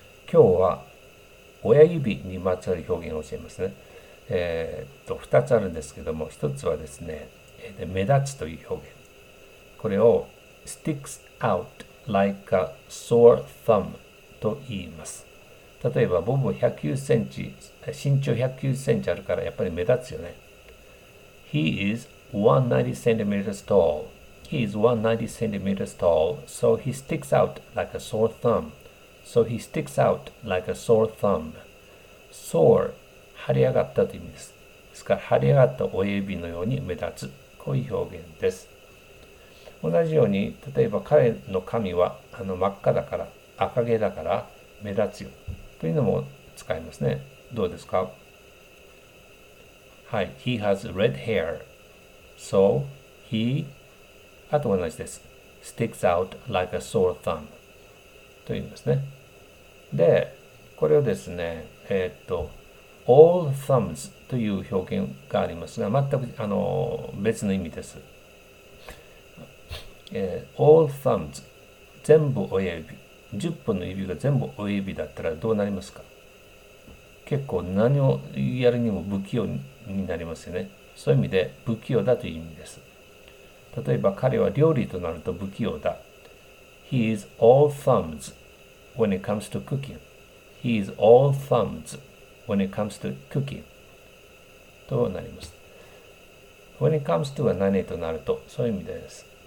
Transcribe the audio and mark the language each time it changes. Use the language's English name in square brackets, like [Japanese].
[Japanese] 今日は親指にまつわる表現を教えますね。 2つあるんですけども、1つはですね、目立つという表現。これを [English] sticks out like a sore thumb [Japanese] と言います。例えば、ボブ109センチ、身長109センチあるからやっぱり目立つよね。 [English] He is 190 centimeters tall. He is 190 centimeters tall, so he sticks out like a sore thumb. So he sticks out like a sore thumb. [Japanese] Sore、腫れ上がったという意味です。ですから、腫れ上がった親指のように目立つ。こういう表現です。同じように、例えば彼の髪は真っ赤だから、赤毛だから目立つよ。というのも使いますね。どうですか？ [English] はい、He has red hair. So he、 [Japanese] あと同じです。 [English] Sticks out like a sore thumb [Japanese] と言いますね。で、これをですね、 [English] All thumbs [Japanese] という表現がありますが、全く別の意味です。 [English] All thumbs、 [Japanese] 全部親指、10本の指が全部親指だったらどうなりますか？結構何をやるにも不器用になりますよね。そういう意味で不器用だという意味です。例えば、彼は料理となると不器用だ。 [English] He is all thumbs when it comes to cooking. He is all thumbs when it comes to cooking. [Japanese] となります。 [English] When it comes to [Japanese] は何となると、そういう意味です。